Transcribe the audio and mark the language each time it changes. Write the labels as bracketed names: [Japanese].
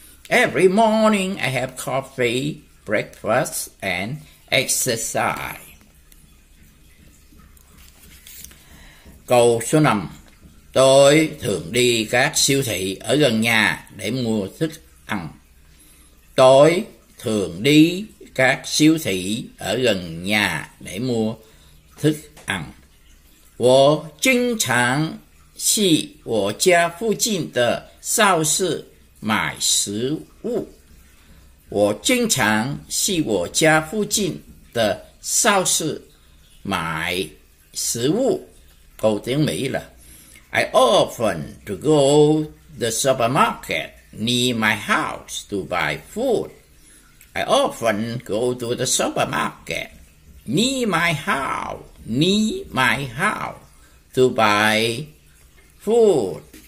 [English] Every morning I have coffee, breakfast and exercise. [Vietnamese] Câu số 5. Tôi thường đi các siêu thị ở gần nhà để mua thức ăn. Tôi thường đi các siêu thị ở gần nhà để mua thức ăn. [Chinese] 我经常去我家附近的超市买食物. 我经常去我家附近的超市买食物. [Vietnamese] Câu tiếng Mỹ là [English] I often to go the supermarket near my house to buy food. I often go to the supermarket near my house to buy food.